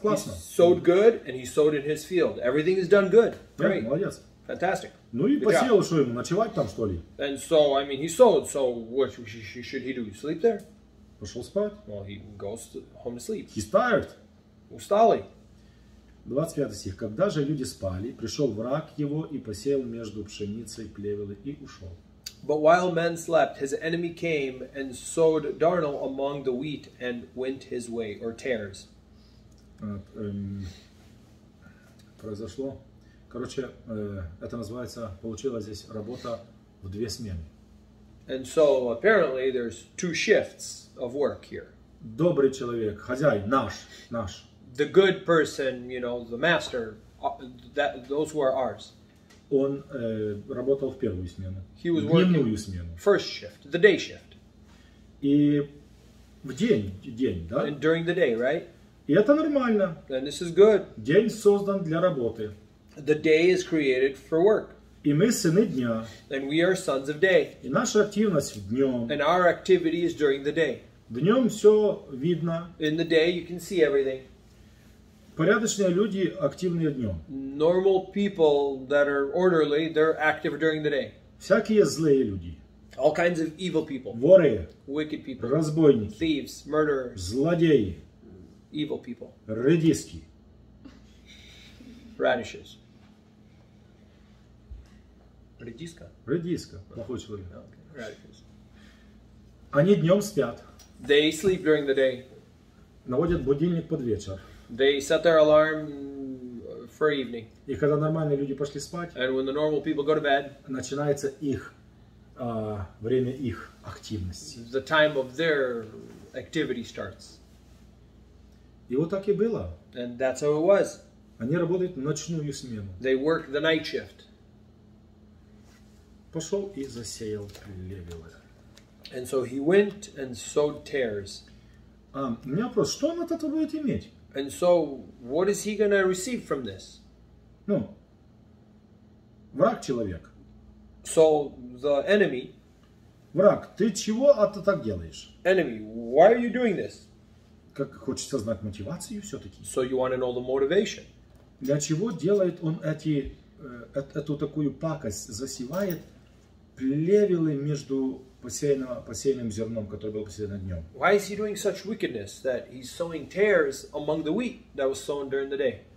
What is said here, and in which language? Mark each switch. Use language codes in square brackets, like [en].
[en] He sowed good, and he sowed in his field. Everything is done good. Great. [ru] Yeah, молодец. [en] Fantastic. [ru] Ну и посеял, что ему, ночевать там, что ли? [en] And so, I mean, he sowed, so what should he do? Sleep there? [ru] Пошел спать. [en] Well, he goes home to sleep. He's tired. [ru] Усталый. 25 стих. Когда же люди спали, пришел враг его и посеял между пшеницей плевелы и ушел. [en] But while men slept, his enemy came and sowed darnel among the wheat and went his way, or tares. [ru] Произошло. Короче, это называется, получилась здесь работа в две смены. [en] And so, apparently, there's two shifts of work here. [ru] Добрый человек, хозяин, наш. [en] The good person, you know, the master, those who are ours. [ru] Он работал в первую смену. [en] He was working [ru] смену. [en] First shift, the day shift. [ru] И в день, да? [en] And during the day, right? [ru] И это нормально. [en] And this is good. [ru] День создан для работы. [en] The day is created for work. [ru] И мы сыны дня. [en] And we are sons of day. [ru] И наша активность в днем. [en] And our activity is during the day. [ru] Днем все видно. [en] In the day you can see everything. [ru] Порядочные люди активны днем. [en] Normal people that are orderly, they're active during the day. [ru] Всякие злые люди. [en] All kinds of evil people. [ru] Воры. [en] Wicked people. [ru] Разбойники. [en] Thieves, murderers. [ru] Злодеи. [en] Evil people. [ru] Редиски. [en] Radishes. [ru] Редиска. Редиска. Плохой человек. [en] Радишес. [ru] Они днем спят. [en] They sleep during the day. [ru] Наводят будильник под вечер. [en] They set their alarm for evening. [ru] И когда нормальные люди пошли спать, [en] and when the normal people go to bed, [ru] начинается их время их активности. [en] The time of their activity starts. [ru] И вот так и было. [en] And that's how it was. [ru] Они работают ночную смену. [en] They work the night shift. [ru] Пошел и засеял плевелы. [en] And so he went and sowed tares. [ru] У меня вопрос, что он от этого будет иметь? [en] And so what is he going to receive from this? [ru] Ну, враг человек. [en] So the enemy. [ru] Враг, ты чего это так делаешь? [en] Enemy, why are you doing this? [ru] Как хочется знать мотивацию все-таки. [en] So you want to know the motivation. [ru] Для чего делает он эту такую пакость, засевает плевелы между посеянным зерном, которое было посеяно днем? [en] Why is he doing such wickedness that he's sowing tares among the wheat that was sown during the day?